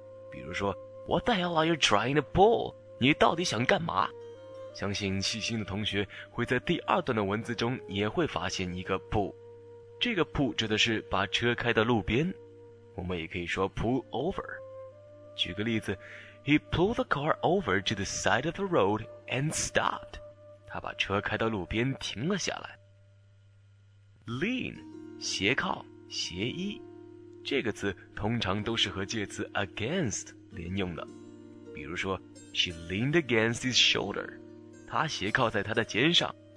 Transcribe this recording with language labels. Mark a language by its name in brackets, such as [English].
[Chinese] 比如说 [English] What the hell are you trying to pull? [Chinese] 你到底想干嘛？相信细心的同学会在第二段的文字中也会发现一个 pull。这个 pull 指的是把车开到路边，我们也可以说 pull over。举个例子， [English] He pulled the car over to the side of the road and stopped. [Chinese] 他把车开到路边停了下来。 Lean 斜靠斜依，这个词通常都是和介词 against 连用的。比如说 [English] She leaned against his shoulder， [Chinese] 她斜靠在他的肩上。